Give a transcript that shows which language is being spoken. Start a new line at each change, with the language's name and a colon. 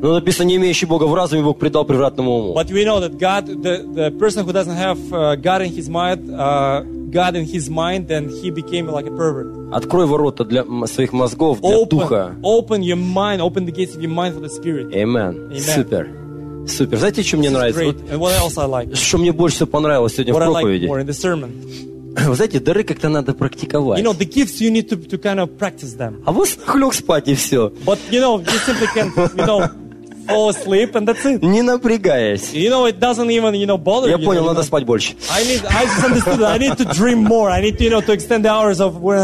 Russian: Но написано, не имеющий Бога в разуме, Бог предал превратному уму.
English: But we know that God, the person who doesn't have God in his mind, God in his mind, then he became like a pervert.
Russian: Открой ворота для своих мозгов, для
English: open,
Russian: духа.
English: Open your mind, open the gates of your mind for the spirit. Amen.
Russian: Супер. Супер. Знаете, что мне нравится?
English: Вот, And what else I like?
Russian: Что мне больше всего понравилось сегодня
English: what
Russian: в проповеди?
English: What I like more in the sermon.
Russian: Вы знаете, дары как-то надо практиковать.
English: You know, the gifts you need to kind of practice them.
Russian: А вот хлёк спать и все.
English: But you know, you simply can't, you know, fall asleep and that's it.
Russian: Не напрягаясь.
English: You know, it doesn't even, you know, bother
Russian: Я
English: you.
Russian: Я понял,
English: you know?
Russian: Надо спать больше.
English: I just understood that. I need to dream more. I need to, you know, to extend the hours of when